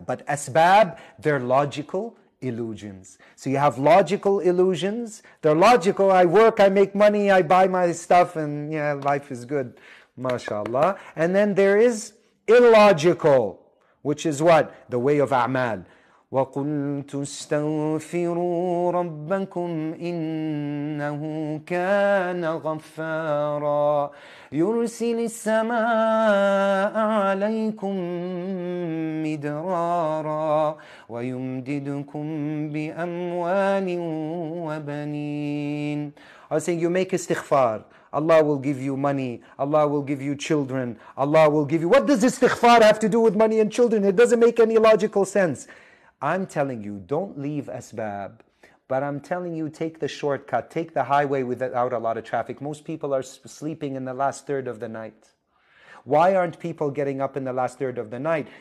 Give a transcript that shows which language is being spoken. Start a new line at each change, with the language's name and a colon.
English: But asbab, they're logical illusions. So you have logical illusions. They're logical. I work, I make money, I buy my stuff, and yeah, life is good. MashaAllah. And then there is illogical, which is what? The way of a'mal.
Arabic: وَقُلْتُ اسْتَغْفِرُوا رَبَّكُمْ إِنَّهُ كَانَ غَفَّارًا يُرْسِلِ السَّمَاءَ عَلَيْكُمْ مِدْرَارًا وَيُمْدِدُكُمْ بِأَمْوَالٍ وَبَنِينَ
English: I was saying, you make istighfar. Allah will give you money. Allah will give you children. Allah will give you... What does istighfar have to do with money and children? It doesn't make any logical sense. I'm telling you, don't leave asbab, but I'm telling you, take the shortcut, take the highway without a lot of traffic. Most people are sleeping in the last third of the night. Why aren't people getting up in the last third of the night?